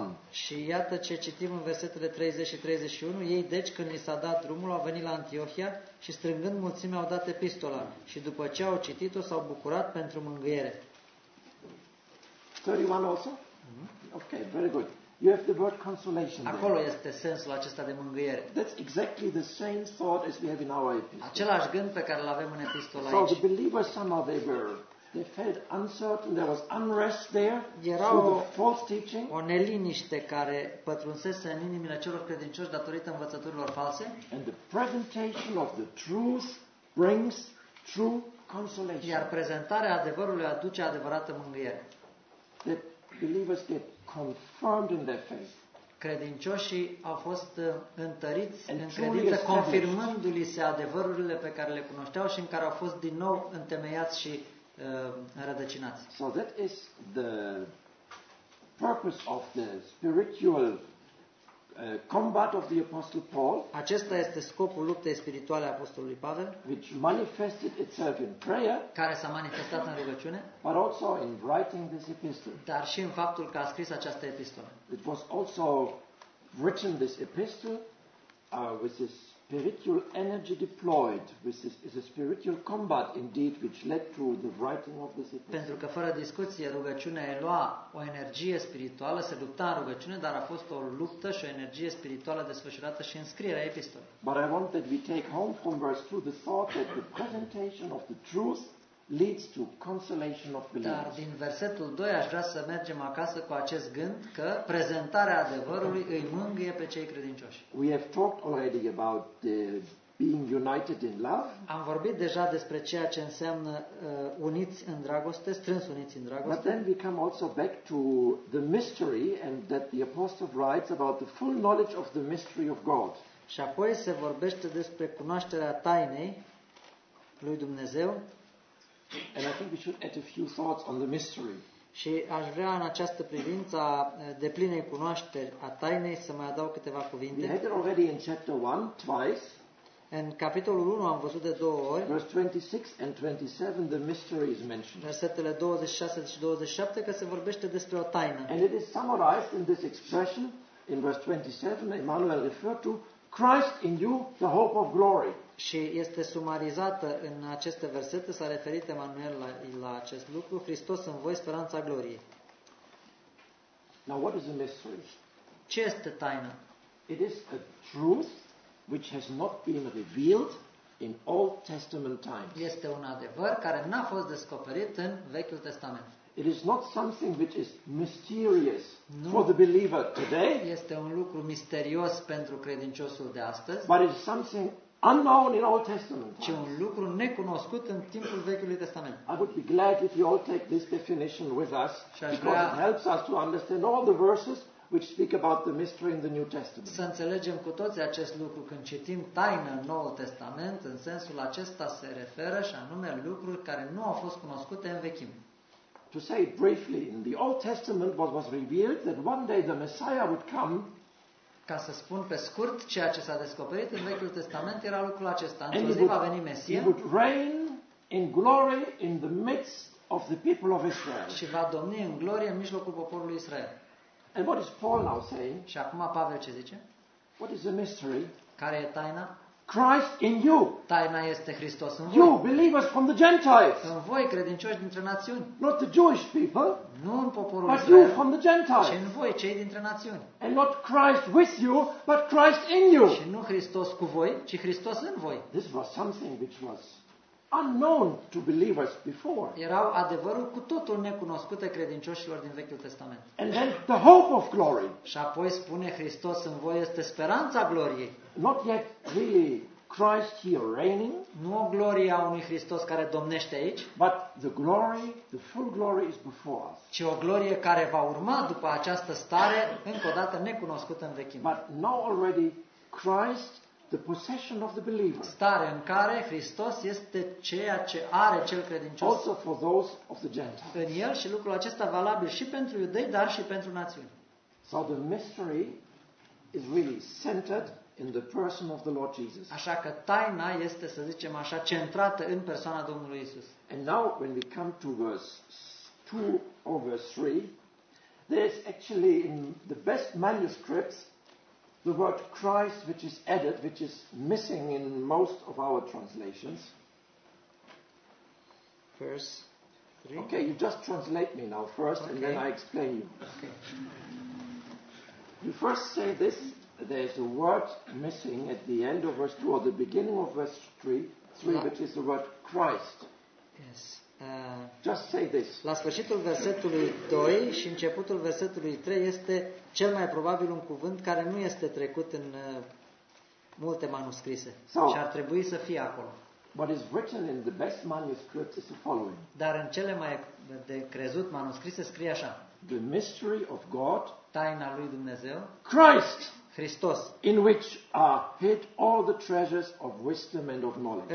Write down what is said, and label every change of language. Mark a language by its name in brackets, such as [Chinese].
[Romanian] Și iată ce citim în versetele 30 și 31. Ei deci când li s-a dat drumul au venit la Antiohia și strângând mulțimea au dat epistola. Și după ce au citit-o s-au bucurat pentru mângâiere. [English] 31 also? Mm-hmm. Okay, very good. You have the word consolation. [Romanian] Acolo [English] there. [Romanian] Este sensul acesta de mângâiere. [English] That's exactly the same thought as we have in our epistle. [Romanian] Același gând pe care îl avem în epistola aici. [English] So the believers somehow they were. They felt uncertain, there was unrest there. [Romanian] Era [English] through the false teaching. [Romanian] O neliniște care pătrunsese în inimile celor credincioși datorită învățăturilor false. [English] And the presentation of the truth brings true consolation. [Romanian] Iar prezentarea adevărului aduce adevărată mângâiere. [English] The believers get confirmed in their faith. [Romanian] Credincioșii au fost întăriți în credință, confirmându-li se adevărurile pe care le cunoșteau și în care au fost din nou întemeiați și rădăcinați. [English] So that is the purpose of the spiritual combat of the apostle Paul. [Romanian] Acesta este scopul luptei spirituale a apostolului Pavel, [English] which manifested itself in prayer, [Romanian] care s-a manifestat în rugăciune, [English] but also in writing this epistle. [Romanian] Dar și în faptul că a scris această epistolă. [English] It was also written this epistle with this spiritual energy deployed, with this is a spiritual combat indeed which led to the writing of this epistle. [Romanian] Pentru că fără discuție rugăciunea elua o energie spirituală, se lupta în rugăciune, dar a fost o luptă și o energie spirituală desfășurată și în scrierea epistolei. [English] But I want that we take home from verse 2 the thought that the presentation of the truth leads to consolation of believers. [Romanian] Dar din versetul 2 aș vrea să mergem acasă cu acest gând că prezentarea adevărului îi mângâie pe cei credincioși. [English] We have talked already about the being united in love. [Romanian] Am vorbit deja despre ceea ce înseamnă uniți în dragoste, strâns uniți în dragoste. [English] But then we come also back to the mystery and that the apostle writes about the full knowledge of the mystery of God. [Romanian] Și apoi se vorbește despre cunoașterea tainei lui Dumnezeu. [English] And I think we should add a few thoughts on the mystery. [Romanian] Și aș vrea în această privință deplinei cunoașteri a tainei să mai adaug câteva cuvinte. [English] We had it already in chapter 1 twice. [Romanian] În capitolul 1 am văzut de două ori. [English] Verse 26 and 27 the mystery is mentioned. [Romanian] Versetele 26 și 27 că se vorbește despre o taină. [English] And it is summarized in this expression in verse 27 Emmanuel referred to Christ in you the hope of glory. [Romanian] Și este sumarizată în aceste versete, s-a referit Emanuel la acest lucru, Hristos în voi, speranța gloriei. [English] Now what is the mystery? [Romanian] Ce este taina? [English] It is a truth which has not been revealed in Old Testament times. [Romanian] Este un adevăr care n-a fost descoperit în Vechiul Testament. [English] It is not something which is mysterious for the believer today. [Romanian] Este un lucru misterios pentru credinciosul de astăzi. [English] But it is something unknown in Old Testament. [Romanian] Ce un lucru necunoscut în timpul Vechiului Testament. [English] I would be glad if you all take this definition with us, because it helps us to understand all the verses which speak about the mystery in the New Testament. [Romanian] Să înțelegem cu toții acest lucru când citim taină în Noul Testament, în sensul acesta se referă și anume lucruri care nu au fost cunoscute în vechime. [English] To say it briefly, in the Old Testament what was revealed that one day the Messiah would come. [Romanian] Ca să spun pe scurt, ceea ce s-a descoperit în Vechiul Testament era lucrul acesta. Într-o zi va veni Mesia. [English] He would reign in glory in the midst of the people of Israel. [Romanian] Și va domni în glorie în mijlocul poporului Israel. [English] And what is Paul now saying? [Romanian] Și acum Pavel ce zice? [English] What is the mystery? [Romanian] Care e taina? [English] Christ in you. [Romanian] Taina este Hristos în voi. [English] You believers from the Gentiles. [Romanian] În voi credincioși dintre națiuni. [English] Not the Jewish people. [Romanian] Nu în poporul [English] but Israel. You from the Gentiles. [Romanian] Și în voi cei dintre națiuni. [English] And not Christ with you, but Christ in you. [Romanian] Și nu Hristos cu voi, ci Hristos în voi. [English] This was something which was unknown to believers before. [Romanian] Erau adevărul cu totul necunoscute credincioșilor din Vechiul Testament. [English] And then the hope of glory. [Romanian] Și apoi spune Hristos în voi este speranța gloriei. [English] Not yet really Christ here reigning. [Romanian] Nu gloria unui Hristos care domnește aici. [English] But the glory, the full glory is before us. [Romanian] Ci o glorie care va urma după această stare încă o dată necunoscută în vechime. [English] But now already Christ the possession of the believer. [Romanian] Stare în care Hristos este ceea ce are cel credincios. [English] Also for those of the Gentiles. [Romanian] În el și lucrul acesta valabil și pentru iudei, dar și pentru națiuni. [English] So the mystery is really centered in the person of the Lord Jesus. [Romanian] Așa că taina este, să zicem așa, centrată în persoana Domnului Isus. [English] And now when we come to verse 2 or verse 3, there is actually in the best manuscripts the word Christ which is added, which is missing in most of our translations. Verse 3. Okay, you just translate me now first, okay. And then I explain you. Okay. You first say this, there's a word missing at the end of verse 2 or the beginning of verse 3, which is the word Christ. Yes. Just say this. [Romanian] La sfârșitul versetului 2 și începutul versetului 3 este cel mai probabil un cuvânt care nu este trecut în multe manuscrise. [English] So, [Romanian] și ar trebui să fie acolo. [English] What is written in the best manuscripts is the following. [Romanian] Dar în cele mai de crezut manuscrise scrie așa. [English] The mystery of God. [Romanian] Taina lui Dumnezeu. [English] Christ. [Romanian] Hristos. [English] In which are hid all the treasures of wisdom and of knowledge.